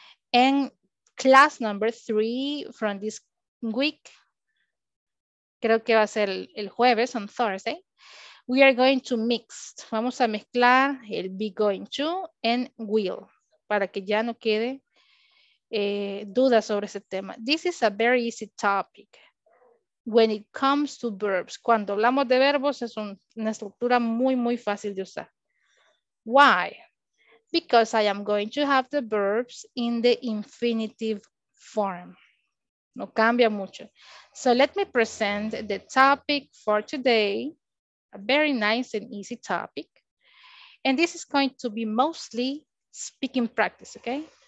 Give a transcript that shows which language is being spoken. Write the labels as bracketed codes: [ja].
[en] And class number 3 from this week, [es] creo que va a ser el jueves, [en] on Thursday, we are going to mix. [es] Vamos a mezclar el be going to and will para que ya no quede dudas sobre ese tema. [en] This is a very easy topic when it comes to verbs. [es] Cuando hablamos de verbos es una estructura muy, muy fácil de usar. [en] Why? Because I am going to have the verbs in the infinitive form. [es] No cambia mucho. [en] So let me present the topic for today. A very nice and easy topic. And this is going to be mostly speaking practice, okay?